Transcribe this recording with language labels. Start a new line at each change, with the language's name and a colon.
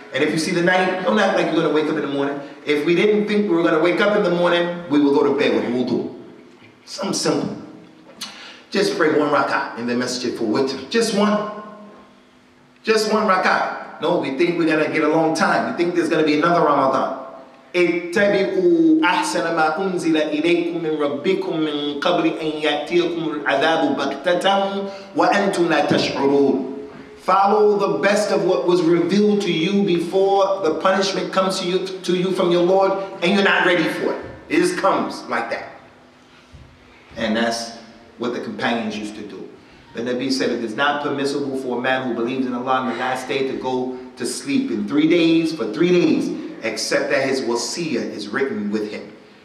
English: And if you see the night, don't act like you're gonna wake up in the morning. If we didn't think we were gonna wake up in the morning, we will go to bed with wudu. Something simple. Just pray one rak'ah in the masjid for witr. Just one. Just one rak'ah. No, we think we're gonna get a long time. We think there's gonna be another Ramadan.
Arabic: اتبعوا أحسن ما أنزل إليكم من ربكم من قبل أن يأتيكم العذاب بغتة وأنتم لا تشعرون.
English: Follow the best of what was revealed to you before the punishment comes to you from your Lord, and you're not ready for it. It just comes like that. And that's what the companions used to do. The Nabi said, it is not permissible for a man who believes in Allah in the last day to go to sleep in 3 days, for 3 days, except that his wasiyah is written with him.